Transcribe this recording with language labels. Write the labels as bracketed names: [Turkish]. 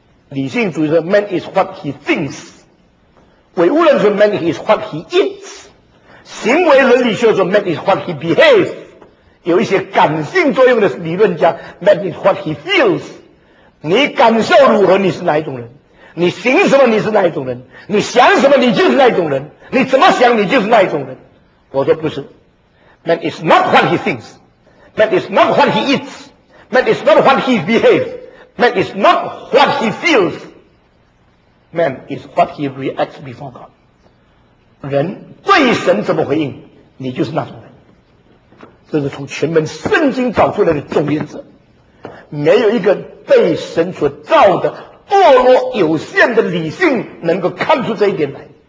[Chinese] 理性主义说 [English] man is what he thinks， [Chinese] 唯物论说 [English] man is what he is， [Chinese] 行为伦理学说 [English] man is what he behaves， [Chinese] 有一些感性作用的理论家 [English] ，that is what he feels。 [Chinese] 你感受如何，你是哪一种人？你行什么，你是哪一种人？你想什么，你就是哪一种人？你怎么想，你就是哪一种人？我说不是 [English] ，that is not what he thinks， that is not what he eats， that is not what he behaves， that is not what he feels。 Man is what he reacts before God。 [Chinese] 人对神怎么回应，你就是那种人。这是从全本圣经找出来的总原则，没有一个被神所造的堕落有限的理性能够看出这一点来。